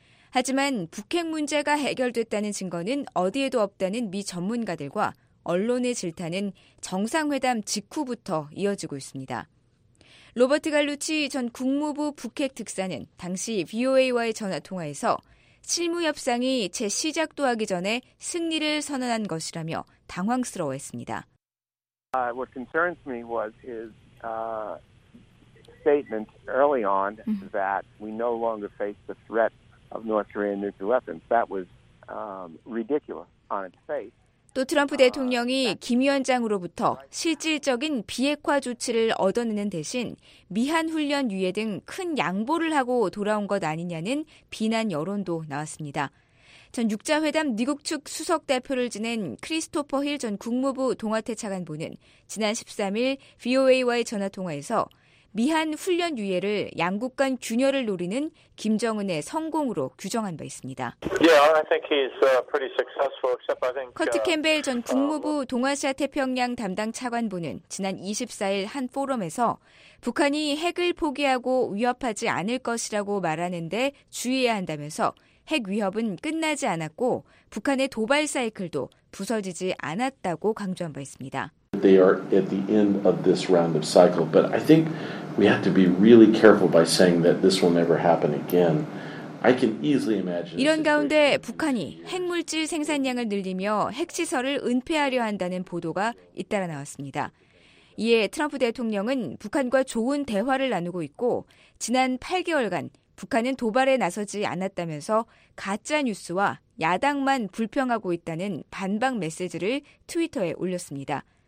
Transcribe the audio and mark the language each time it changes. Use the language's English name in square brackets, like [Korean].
[Korean] 하지만 북핵 문제가 해결됐다는 증거는 어디에도 없다는 미 전문가들과 언론의 질타는 정상회담 직후부터 이어지고 있습니다. 로버트 갈루치 전 국무부 북핵 특사는 당시 VOA와의 전화통화에서 실무협상이 채 시작도 하기 전에 승리를 선언한 것이라며 당황스러워했습니다. [English] What concerns me was his statement early on that we no longer face the threat of North Korean nuclear weapons. That was ridiculous on its face. [Korean] 또 트럼프 대통령이 김 위원장으로부터 실질적인 비핵화 조치를 얻어내는 대신 미한 훈련 유예 등 큰 양보를 하고 돌아온 것 아니냐는 비난 여론도 나왔습니다. 전 육자회담 미국 측 수석 대표를 지낸 크리스토퍼 힐 전 국무부 동아태 차관보는 지난 13일 VOA와의 전화통화에서 미한 훈련 유예를 양국 간 균열을 노리는 김정은의 성공으로 규정한 바 있습니다. [English] Yeah, I think he's pretty successful, except I think [Korean] 커트 캠벨 전 국무부 동아시아 태평양 담당 차관보는 지난 24일 한 포럼에서 북한이 핵을 포기하고 위협하지 않을 것이라고 말하는데 주의해야 한다면서 핵 위협은 끝나지 않았고 북한의 도발 사이클도 부서지지 않았다고 강조한 바 있습니다. [English] They are at the end of this round of cycle, but I think we have to be really careful by saying that this will never happen again. I can easily imagine. [Korean] 이런 가운데 북한이 핵물질 생산량을 늘리며 핵시설을 은폐하려 한다는 보도가 잇따라 나왔습니다. 이에 트럼프 대통령은 북한과 좋은 대화를 나누고 있고 지난 8개월간 북한은 도발에 나서지 않았다면서 가짜 뉴스와 야당만 불평하고 있다는 반박 메시지를 트위터에 올렸습니다.